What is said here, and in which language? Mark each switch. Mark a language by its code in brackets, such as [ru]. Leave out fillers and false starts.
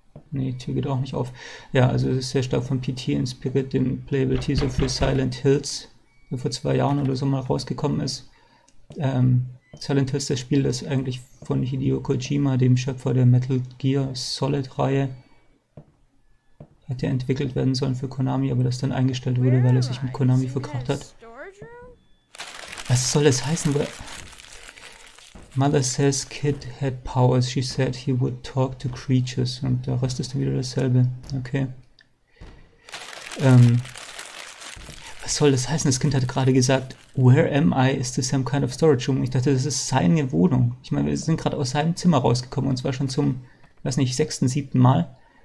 [de] Nee, Tür geht auch nicht auf. Ja, also es ist sehr stark von P.T. inspiriert, dem Playable Teaser für Silent Hills, der vor 2 Jahren oder so mal rausgekommen ist. Silent Hills, das Spiel, das eigentlich von Hideo Kojima, dem Schöpfer der Metal Gear Solid-Reihe, hätte entwickelt werden sollen für Konami, aber das dann eingestellt wurde, weil er sich mit Konami verkracht hat. Was soll das heißen? [en] Weil Mother says Kid had powers. She said he would talk to creatures. [de] Und der Rest ist wieder dasselbe. Okay. Was soll das heißen? Das Kind hat gerade gesagt, [en] Where am I is the same kind of storage room? [de] Ich dachte, das ist seine Wohnung. Ich meine, wir sind gerade aus seinem Zimmer rausgekommen und zwar schon zum, weiß nicht, sechsten, siebten Mal.